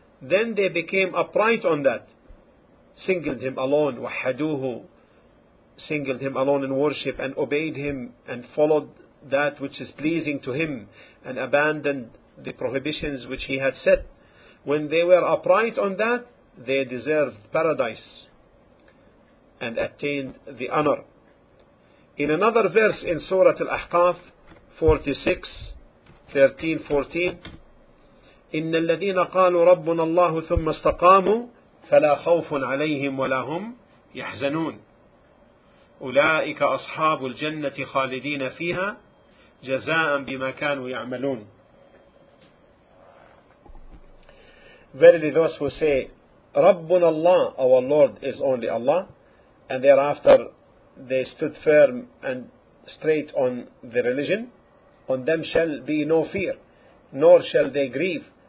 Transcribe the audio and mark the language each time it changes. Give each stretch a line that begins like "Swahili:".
English: Then they became upright on that, singled him alone, wahaduhu, singled him alone in worship and obeyed him and followed that which is pleasing to him and abandoned the prohibitions which he had set. When they were upright on that, they deserved paradise and attained the honor.
Arabic: In another verse in Surah Al-Ahqaf 46:13-14, إِنَّ الَّذِينَ قَالُوا رَبُّنَ اللَّهُ ثُمَّ اسْتَقَامُوا فَلَا خَوْفٌ عَلَيْهِمْ وَلَا هُمْ يَحْزَنُونَ أولئك أصحاب الجنة خالدين فيها جزاء بما كانوا يعملون.
English: Verily those who say
Arabic: ربنا الله,
English: our Lord is only Allah, and thereafter they stood firm and straight on the religion, on them shall be no fear, nor shall they grieve.